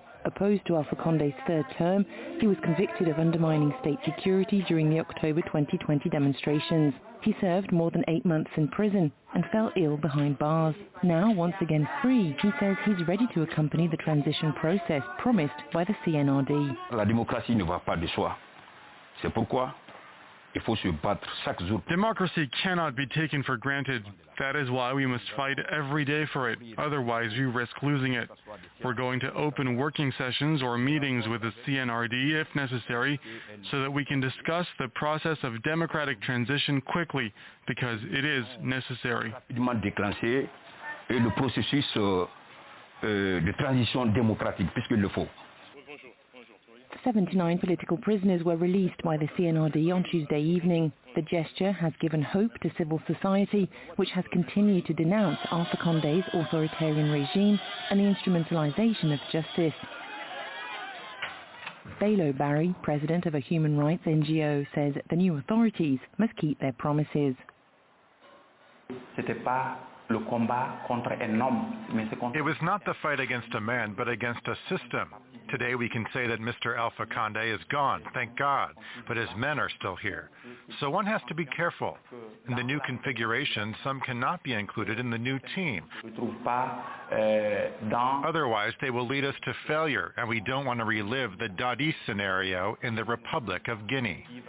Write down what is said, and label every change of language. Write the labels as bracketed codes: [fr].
[en] Opposed to Alpha Conde's third term, he was convicted of undermining state security during the October 2020 demonstrations. He served more than 8 months in prison and fell ill behind bars. Now, once again free, he says he's ready to accompany the transition process promised by the CNRD. [fr] La démocratie ne va pas de soi. C'est pourquoi il faut se battre chaque jour. [en] Democracy cannot be taken for granted. That is why we must fight every day for it. Otherwise, we risk losing it. We're going to open working sessions or meetings with the CNRD, if necessary, so that we can discuss the process of democratic transition quickly, because it is necessary. [fr] Le processus de transition démocratique, puisqu'il le faut. [en] 79 political prisoners were released by the CNRD on Tuesday evening. The gesture has given hope to civil society, which has continued to denounce Alpha Conde's authoritarian regime and the instrumentalization of justice. Bailo Barry, president of a human rights NGO, says the new authorities must keep their promises. [fr] C'était pas le combat contre un homme, mais c'est contre... [en] It was not the fight against a man, but against a system. Today we can say that Mr. Alpha Conde is gone, thank God, but his men are still here. So one has to be careful. In the new configuration, some cannot be included in the new team. Otherwise, they will lead us to failure, and we don't want to relive the Dadis scenario in the Republic of Guinea.